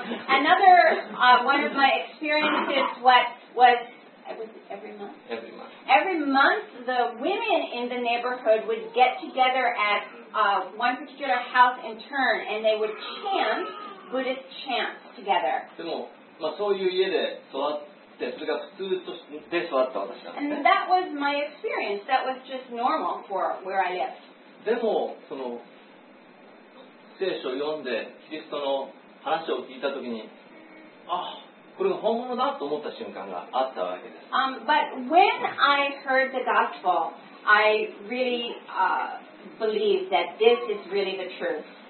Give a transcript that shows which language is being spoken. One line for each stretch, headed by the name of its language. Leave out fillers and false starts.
English: Another one of my experiences was. Every month, the women in the neighborhood would get together at one particular house in turn, and they would chant Buddhist chants together.
Japanese: でも、まあ、そういう家で育って、それが普通で育った私なんですね。
English: And that was my experience. That was just normal for where I lived.
Japanese: でも、その聖書を読んで、キリストの話を聞いたときに、あ。これが本物だと思った瞬間があったわけです。
English: But when I heard the gospel, I really believe that this is really the truth.